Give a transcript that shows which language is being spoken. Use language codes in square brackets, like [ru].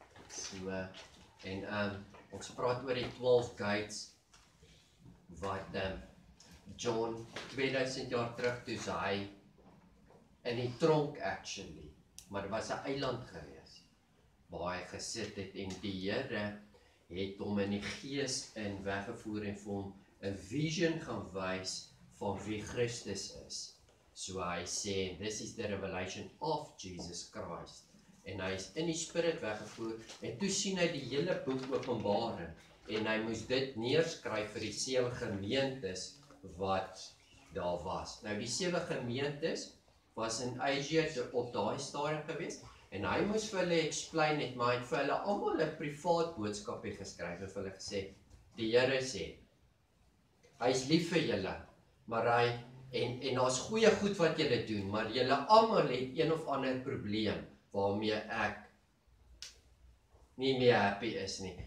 [af] So, en ons praat oor die 12 guides wat John 2000 jaar terug toe saai in die tronk actually, maar dit was 'n eiland gewees waar hy gesit het en die Here het hom in die gees in weggevoer en vir hom 'n vision gaan wys van wie Christus is. So hy sê, [en] this is the revelation of Jesus Christ. [af] En hy is in die spirit weggevoer en toe sien hy die hele boek Openbaring en hy moes dit neerskryf vir die 7 gemeentes wat daar was. Nou die 7 gemeentes was in Asia op daai stadium gewees en hy moes vir hulle explain het, maar hy het vir hulle almal 'n privaat boodskapie geskryf en vir hulle gesê, die Here sê, hy is lief vir julle, maar hy en daar's goeie goed wat julle doen, maar julle almal het een of ander probleem waarmee ek nie meer happy is nie.